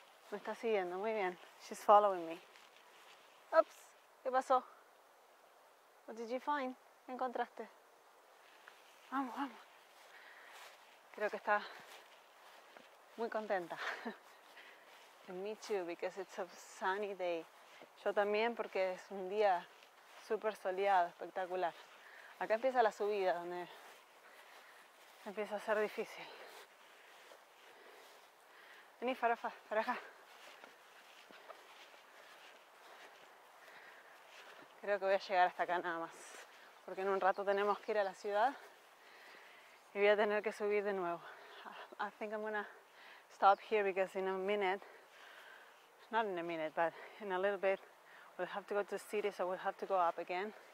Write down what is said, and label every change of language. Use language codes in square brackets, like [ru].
[es] Me está siguiendo, muy bien. [en] She's following me. Oops, [es] ¿qué pasó? [en] What did you find? [es] ¿Qué encontraste? Vamos, vamos. Creo que está muy contenta. [en] And me too, because it's a sunny day. [es] Yo también, porque es un día súper soleado, espectacular. Acá empieza la subida, donde empieza a ser difícil. Vení, Farofa, para acá. Creo que voy a llegar hasta acá nada más, porque en un rato tenemos que ir a la ciudad y voy a tener que subir de nuevo. [en] I think I'm gonna stop here because in a minute, not in a minute, but in a little bit, we'll have to go to the city, so we'll have to go up again.